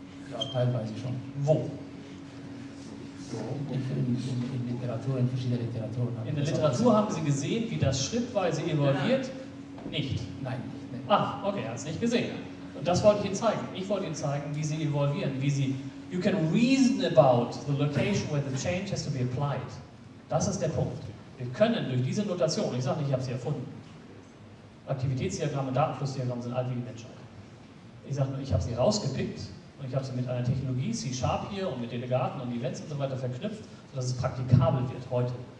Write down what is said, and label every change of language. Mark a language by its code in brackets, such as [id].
[de] Ja, teilweise schon. Wo? In Literatur, in verschiedenen Literaturen. In der Literatur haben Sie gesehen, wie das schrittweise evolviert? Nicht. Nein. Ach, okay, er hat es nicht gesehen. Und das wollte ich Ihnen zeigen. Ich wollte Ihnen zeigen, wie Sie evolvieren, wie Sie... [en] You can reason about the location where the change has to be applied. [de] Das ist der Punkt. Wir können durch diese Notation, ich sage nicht, ich habe sie erfunden, Aktivitätsdiagramme, Datenflussdiagramme sind alt wie die Menschheit. Ich sage nur, ich habe sie rausgepickt, und ich habe sie mit einer Technologie, C-Sharp hier, und mit Delegaten und Events und so weiter verknüpft, sodass es praktikabel wird heute.